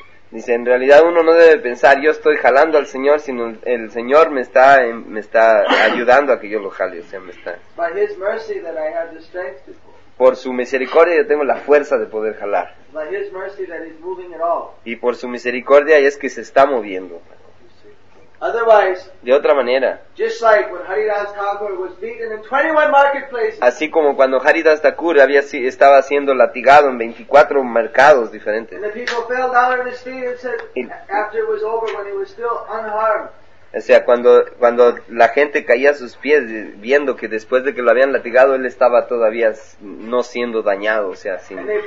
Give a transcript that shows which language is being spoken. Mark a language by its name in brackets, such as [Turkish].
[Spanish] Dice, en realidad uno no debe pensar yo estoy jalando al Señor, sino el Señor me está ayudando a que yo lo jale, o sea, me está. [English] By His mercy that I have the strength to pull. [Spanish] Por su misericordia yo tengo la fuerza de poder jalar. [English] By His mercy that He's moving at all. [Spanish] Y por su misericordia es que se está moviendo. [English] Otherwise, [Spanish] de otra manera, [English] just like when Haridas Thakur was beaten in 21 marketplaces. [Spanish] Así como cuando Haridas Thakur estaba siendo latigado en 24 mercados diferentes. [English] And the people fell down at His feet and said, after it was over, when He was still unharmed. [Spanish] O sea, cuando la gente caía a sus pies viendo que después de que lo habían latigado él estaba todavía no siendo dañado, o sea, sin.